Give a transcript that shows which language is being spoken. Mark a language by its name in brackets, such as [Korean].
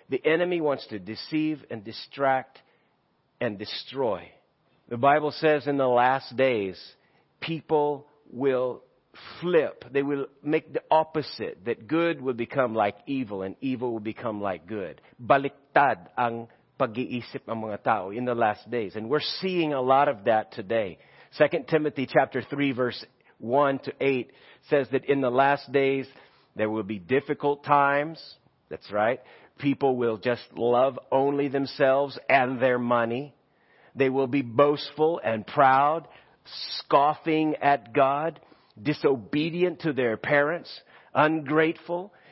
[English] The enemy wants to deceive and distract and destroy. The Bible says in the last days, people will flip. They will make the opposite. That good will become like evil and evil will become like good. [Filipino] Baliktad ang pag-iisip ng mga tao [English] in the last days. And we're seeing a lot of that today. 2 Timothy chapter 3 verse 1 to 8 says that in the last days, there will be difficult times. That's right. People will just love only themselves and their money. They will be boastful and proud, scoffing at God, disobedient to their parents, ungrateful.